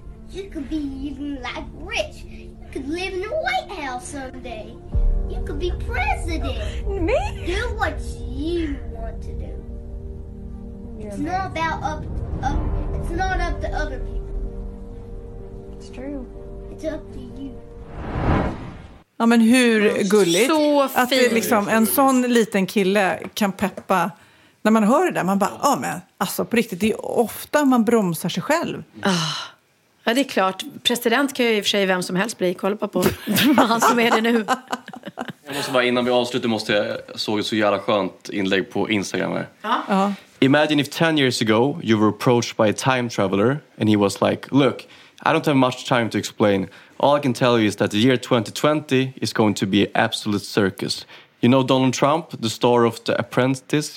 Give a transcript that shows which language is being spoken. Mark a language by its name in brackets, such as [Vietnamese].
[English] You could be even like rich. You could live in the White House someday. You could be president. Oh, me? Do what you want to do. It's not up to other people. It's true. It's up to you. [Swedish] Ja, men hur gulligt att det liksom, en sån liten kille kan peppa. När man hör det där, man bara, ja men, alltså på riktigt, det är ofta man bromsar sig själv. Ja, det är klart. President kan ju i och för sig vem som helst bli, kolla på han som är det nu. Jag måste bara, innan vi avslutar, måste jag såg ett så jävla skönt inlägg på Instagram. Ja. [English] Imagine if 10 years ago you were approached by a time traveler and he was like, look, I don't have much time to explain. All I can tell you is that the year 2020 is going to be an absolute circus. You know Donald Trump, the star of The Apprentice?